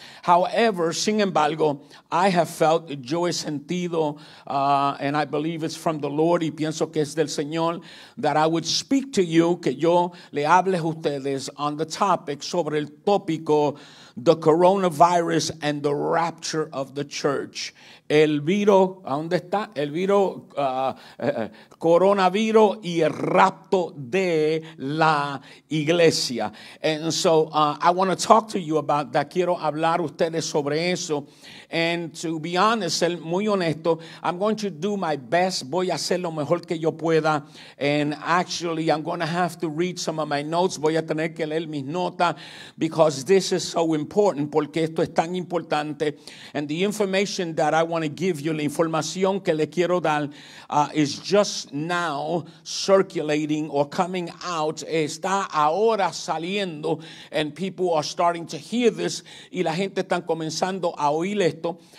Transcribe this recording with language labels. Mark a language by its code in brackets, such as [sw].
[en] However, [es] sin embargo, [en] I have felt, [es] yo he sentido, [en] and I believe it's from the Lord, [es] y pienso que es del Señor, [en] that I would speak to you, [es] que yo le hable a ustedes [en] on the topic, [es] sobre el tópico, [en] the coronavirus and the rapture of the church. [es] El virus, ¿dónde está? El virus, coronavirus y el rapto de la iglesia. [en] And so I want to talk to you about that. [es] Quiero hablar ustedes sobre eso. [en] And to be honest, [es] ser muy honesto, [en] I'm going to do my best. [es] Voy a hacer lo mejor que yo pueda. [en] And actually, I'm going to have to read some of my notes. [es] Voy a tener que leer mis notas, [en] because this is so important. [es] Porque esto es tan importante. [en] And the information that I want to give you, [es] la información que le quiero dar, [en] is just now circulating or coming out. [es] Está ahora saliendo, [en] and people are starting to hear this. [es] Y la gente está comenzando a oír esto.